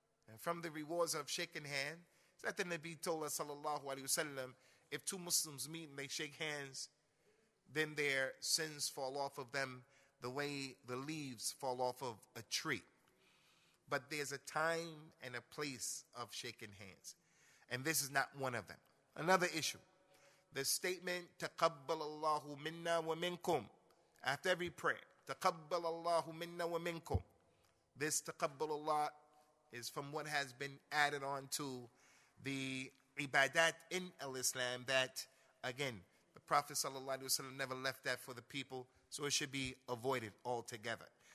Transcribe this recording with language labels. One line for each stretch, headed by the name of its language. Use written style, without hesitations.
English: And from the rewards of shaking hands, it's that the Nabi told us, sallallahu alayhi wa sallam, if two Muslims meet and they shake hands, then their sins fall off of them the way the leaves fall off of a tree. But there's a time and a place of shaking hands. And this is not one of them. Another issue. The statement,
Arabic: تَقَبَّلَ اللَّهُ مِنَّا وَمِنْكُمْ.
English: After every prayer,
Arabic: تَقَبَّلَ اللَّهُ مِنَّا وَمِنْكُمْ.
English: This
Arabic: تَقَبَّلَ اللَّهُ
English: is from what has been added on to the ibadat in al-Islam that, again, the Prophet ﷺ never left that for the people, so it should be avoided altogether.